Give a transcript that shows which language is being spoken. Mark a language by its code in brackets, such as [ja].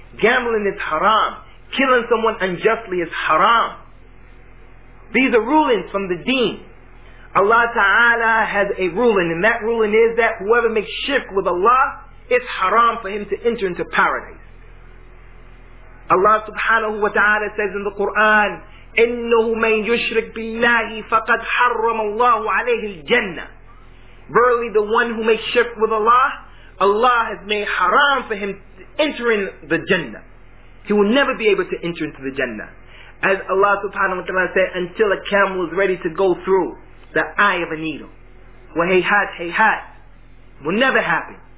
[en] Gambling is haram. Killing someone unjustly is haram. These are rulings from the deen. Allah Ta'ala has a ruling, and that ruling is that whoever makes shirk with Allah, it's haram for him to enter into paradise. Allah Subhanahu wa Ta'ala says in the Quran, [ar] إِنَّهُ مَنْ يُشْرِكْ بِاللَّهِ فَقَدْ حَرَّمَ اللَّهُ عَلَيْهِ الْجَنَّةِ. [en] Verily, the one who makes shirk with Allah, Allah has made haram for him entering the Jannah. He will never be able to enter into the Jannah. As Allah Subhanahu wa Ta'ala said, until a camel is ready to go through the eye of a needle. Wahayhat, hayhat. Will never happen.